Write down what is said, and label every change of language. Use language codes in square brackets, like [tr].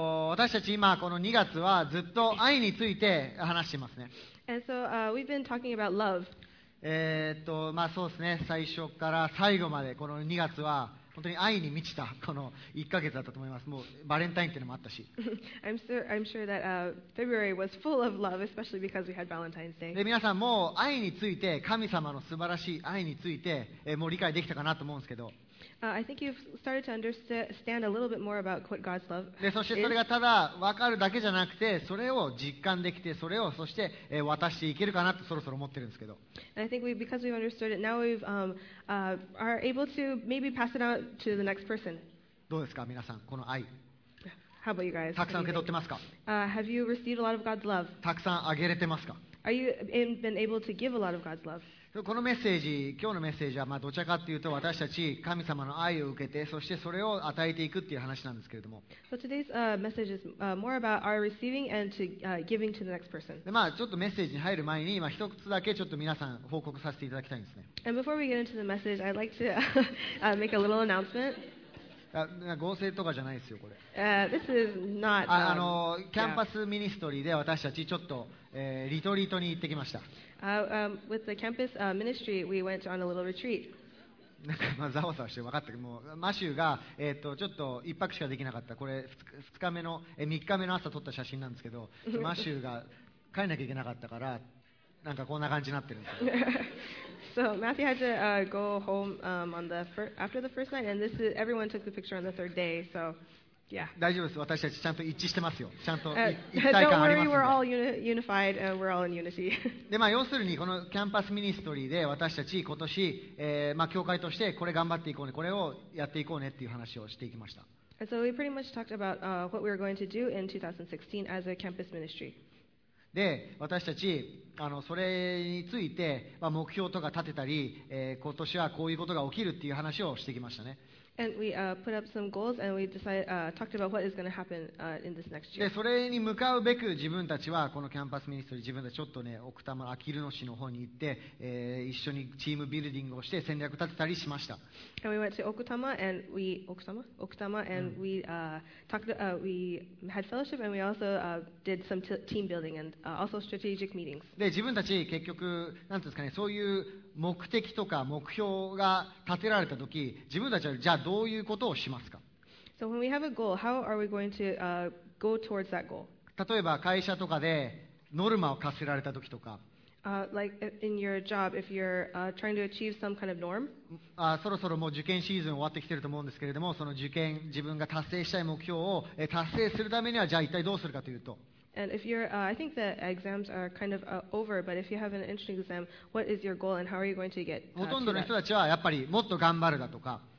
[ja] 私たち今この2月はずっと愛について話してますね。 [en] And so, we've been talking about love. [ja] まあそうですね。最初から最後までこの2月は本当に愛に満ちたこの1ヶ月だったと思います。もうバレンタインっていうのもあったし。 [en] I'm sure that February was full of love, especially because we had Valentine's Day. [ja] で皆さんもう愛について、神様の素晴らしい愛について、もう理解できたかなと思うんですけど。 [en] I think you've started to understand a little bit more about what God's love is. [ja] でそしてそれがただ分かるだけじゃなくて、それを実感できて、それをそして、渡していけるかなとそろそろ思ってるんですけど。 [en] And I think we, because we've understood it, now we've, are able to maybe pass it out to the next person. [ja] どうですか皆さん、この愛。 [en] How about you guys? [ja] たくさん受け取ってますか [en] Have you received a lot of God's love? [ja] たくさんあげれてますか [en] Are you been able to give a lot of God's love? [ja] このメッセージ、今日のメッセージはまあどちらかというと私たち神様の愛を受けて、そしてそれを与えていくっていう話なんですけれども。 [en] So today's message is more about our receiving and to giving to the next person. [ja] で、まあちょっとメッセージに入る前に、まあ一つだけちょっと皆さん報告させていただきたいんですね。 [en] And before we get into the message, I'd like to make a little announcement. [ja] 合成とかじゃないですよこれ。 [en] This is not. [ja] キャンパスミニストリーで私たちちょっとリトリートに行ってきました。 [en] With the campus ministry, we went on a little retreat. [ja] なんかまあざわざわして分かったけど、もうマシューがちょっと一泊しかできなかった。これ3日目の朝撮った写真なんですけど、マシューが帰んなきゃいけなかったから、なんかこんな感じになってるんですよ。 [en] So Matthew had to go home on the after the first night, and this is, everyone took the picture on the third day. So Yeah. [ja] 大丈夫です。私たちちゃんと一致してますよ。ちゃんと一体感ありますんで。 [en] Don't worry, we're all unified and we're all in unity. [ja] で、まあ要するにこのキャンパスミニストリーで私たち今年、まあ教会としてこれ頑張っていこうね、これをやっていこうねっていう話をしていきました。 [en] And so we pretty much talked about what we were going to do in 2016 as a campus ministry. [ja] で、私たちそれについて、まあ、目標とか立てたり、今年はこういうことが起きるっていう話をしてきましたね。 [en] And we put up some goals and we decided, talked about what is going to happen in this next year. [ja] で、それに向かうべく自分たちはこのキャンパスミニストリー、自分たちちょっとね、奥多摩のあきる野市の方に行って、一緒にチームビルディングをして戦略立てたりしました。 [en] And we went to Okutama and we, Okutama? Okutama and we, talked, we had fellowship and we also, did some team building and, also strategic meetings. [ja] で、自分たち結局、なんていうんですかね、そういう目的とか目標が立てられたとき、自分たちはじゃあどういうことをしますか。 [en] So when we have a goal, how are we going to, go towards that goal? [ja] 例えば会社とかでノルマを課せられたときとか、 [en] like in your job, if you're, trying to achieve some kind of norm? [ja] そろそろもう受験シーズン終わってきてると思うんですけれども、その受験、自分が達成したい目標を達成するためにはじゃあ一体どうするかというと、 [en] And if you're, I think the exams are kind of over, but if you have an entrance exam, what is your goal and how are you going to get [ja] ほとんどの人たちはやっぱりもっと頑張るだとか。